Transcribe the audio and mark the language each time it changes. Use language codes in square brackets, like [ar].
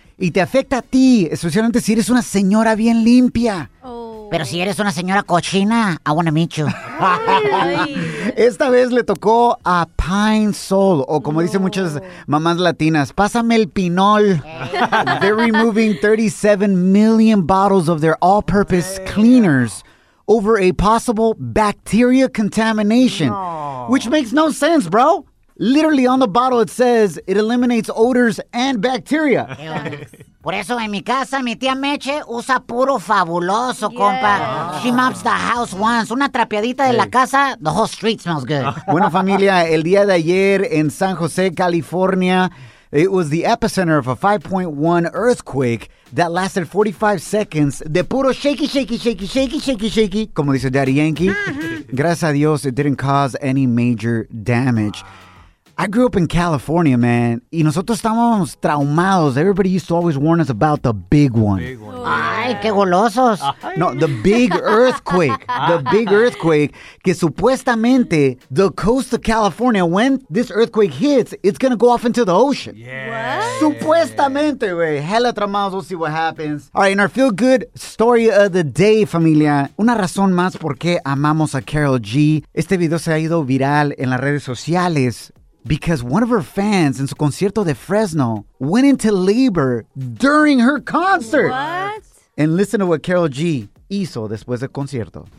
[es] Y te afecta a ti, especialmente si eres una señora bien limpia. Oh. Pero si eres una señora cochina, [en] I wanna meet you. [es] Esta vez le tocó a Pine Sol, o como dicen muchas mamás latinas, pásame el pinol. [en] Hey. They're removing 37 million bottles of their all-purpose cleaners over a possible bacteria contamination, which makes no sense, bro. Literally on the bottle it says it eliminates odors and bacteria. [es] Por eso en mi casa mi tía Meche usa puro fabuloso, compa. [en] She mops the house once. [es] Una trapeadita de la casa, [en] the whole street smells good. [es] Bueno, familia, el día de ayer en [en] San José, California, it was the epicenter of a 5.1 earthquake that lasted 45 seconds. [es] De puro [en] shaky, shaky, shaky, shaky, shaky, shaky, [es] como dice [en] Daddy Yankee. [es] Gracias a Dios, [en] it didn't cause any major damage. I grew up in California, man. [es] Y nosotros estábamos traumados. [en] Everybody used to always warn us about the big one. [es] Ay, qué golosos. [en] No, the big earthquake. The big earthquake. [es] Que supuestamente [en] the coast of California, when this earthquake hits, it's going to go off into the ocean. Yeah. What? [es] Supuestamente, güey. [en] Hella traumados. We'll see what happens. All right, in our feel-good story of the day, familia. [es] Una razón más por qué amamos a Karol G. Este video se ha ido viral en las redes sociales. [en] Because one of her fans in [es] su concierto de Fresno [en] went into labor during her concert. What? And listen to what Karol G [es] hizo después del concierto.